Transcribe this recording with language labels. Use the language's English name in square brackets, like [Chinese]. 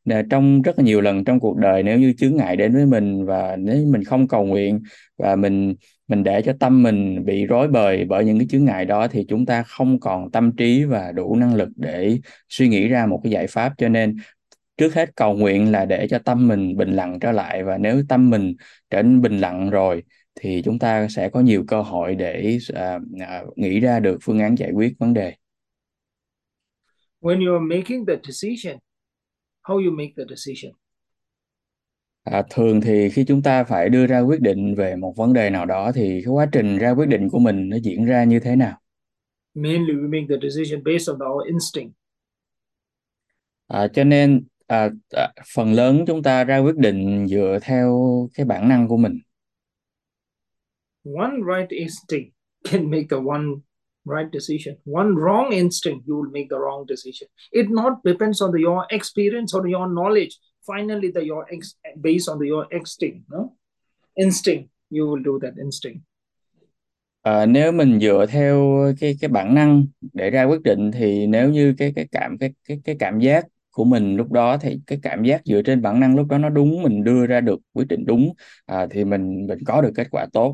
[Vietnamese] Trong rất là nhiều lần trong cuộc đời, nếu như chướng ngại đến với mình và nếu mình không cầu nguyện và mình để cho tâm mình bị rối bời bởi những cái chướng ngại đó, thì chúng ta không còn tâm trí và đủ năng lực để suy nghĩ ra một cái giải pháp. Cho nên trước hết cầu nguyện là để cho tâm mình bình lặng trở lại, và nếu tâm mình trở nên bình lặng rồi thì chúng ta sẽ có nhiều cơ hội để nghĩ ra được phương án giải quyết vấn đề. [English] When you are making the decision, how you make the decision? [Vietnamese] Thường thì khi chúng ta phải đưa ra quyết định về một vấn đề nào đó, thì cái quá trình ra quyết định của mình nó diễn ra như thế nào? [English] Mainly we make the decision based on our instinct. [Vietnamese] Cho nên phần lớn chúng ta ra quyết định dựa theo cái bản năng của mình. [English] One right instinct can make the one right decision. One wrong instinct, you will make the wrong decision. It not depends on your experience or your knowledge. Finally, the your ex based on your instinct, no? Instinct, you will do that instinct. [Vietnamese] Nếu mình dựa theo cái bản năng để ra quyết định, thì nếu như cái cảm giác của mình lúc đó, thì cái cảm giác dựa trên bản năng lúc đó nó đúng, mình đưa ra được quyết định đúng, thì mình có được kết quả tốt.